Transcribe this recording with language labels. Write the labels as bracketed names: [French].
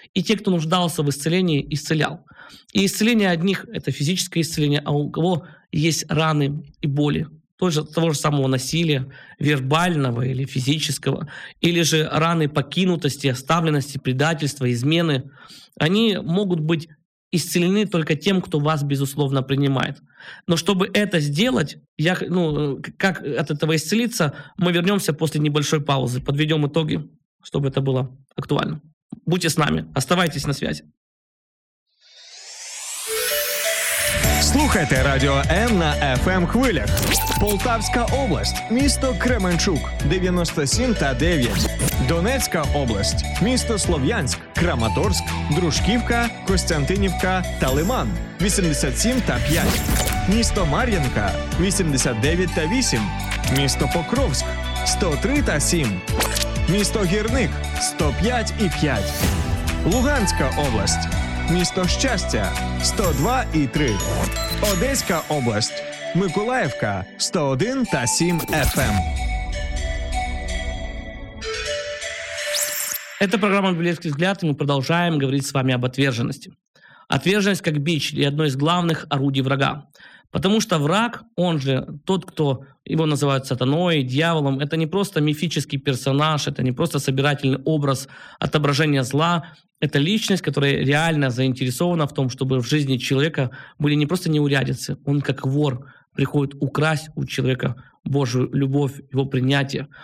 [Russian] И те, кто нуждался в исцелении, исцелял. И исцеление одних — это физическое исцеление, а у кого есть раны и боли того же самого насилия, вербального или физического, или же раны покинутости, оставленности, предательства, измены, они могут быть исцелены только тем, кто вас безусловно принимает. Но чтобы это сделать, как от этого исцелиться, мы вернемся после небольшой паузы, подведем итоги, чтобы это было актуально. Будьте с нами, оставайтесь на связи. [Ukrainian] Слухайте радіо М на FM хвилях. Полтавська область, місто Кременчук, 97.9. Донецька область, місто Слов'янськ, Краматорськ, Дружківка, Костянтинівка та Лиман, 87.5. Місто Мар'їнка, 89.8. Місто Покровськ, 103.7. Місто Гірник, 105.5. Луганська область, місто Щастя, 102.3. Одеська область, Миколаївка, 101.7 FM. [Russian] Это программа «Библейский взгляд», и мы продолжаем говорить с вами об отверженности. Отверженность как бич и одно из главных орудий врага. Потому что враг, он же тот, кто его называют сатаной, дьяволом, это не просто мифический персонаж, это не просто собирательный образ отображения зла, это личность, которая реально заинтересована в том, чтобы в жизни человека были не просто неурядицы, он как вор приходит украсть у человека Божию любовь, его принятие.